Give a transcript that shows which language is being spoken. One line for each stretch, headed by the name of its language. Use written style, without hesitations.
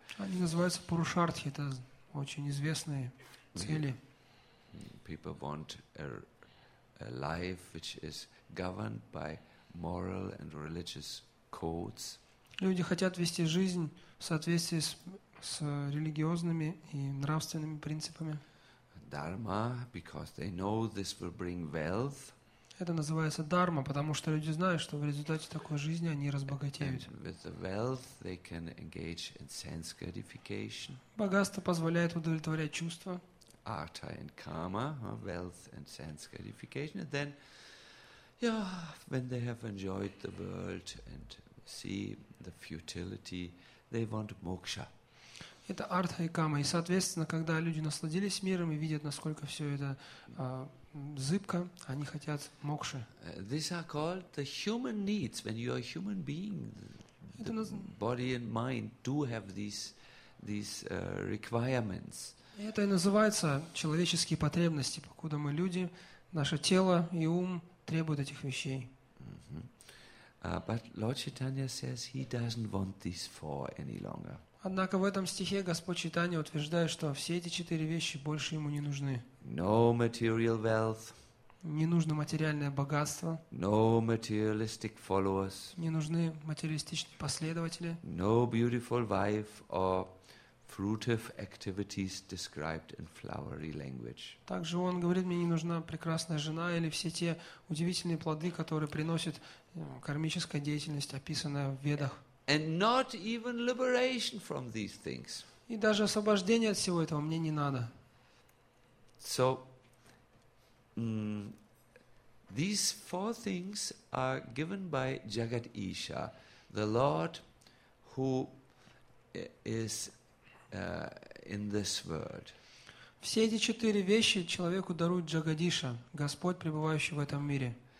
Russian: Они называются Пурушартхи, это очень известные цели.
English: People want a life which is governed by moral and religious codes.
Russian: Люди хотят вести жизнь в соответствии с религиозными и нравственными принципами.
English: Dharma, because they know this will bring wealth.
Russian: Это называется дхарма, потому что люди знают, что в результате такой жизни они разбогатеют.
English: With the wealth, they can engage in sense gratification.
Russian: Богатство позволяет удовлетворять чувства.
English: Artha and kama, wealth and sense gratification. And then, yeah, when they have enjoyed the world and see the futility, they want moksha.
Russian: Это артха и кама. И, соответственно, когда люди насладились миром и видят, насколько все это зыбко, они хотят мокши.
English: These are called the human needs. When you are a human being, the body and mind do have these these requirements.
Russian: Это и называется человеческие потребности, покуда мы люди, наше тело и ум требуют этих вещей.
English: But Lord Chaitanya says he doesn't want these four any longer.
Russian: Однако в этом стихе Господь Чайтанья утверждает, что все эти четыре вещи больше ему не нужны.
English: No material wealth.
Russian: Не нужно материальное богатство.
English: No materialistic followers.
Russian: Не нужны материалистичные последователи.
English: No beautiful wife or fruitive activities described in flowery language.
Russian: Также он говорит, мне не нужна прекрасная жена или все те удивительные плоды, которые приносит кармическая деятельность, описанная в Ведах.
English: And not even liberation from these things.
Russian: И даже освобождение от всего этого мне не надо.
English: So these four things are given by Jagat Isha, the Lord who is in this world.
Russian: Все эти четыре вещи человеку дарует Джагадиша, Господь, пребывающий в этом мире.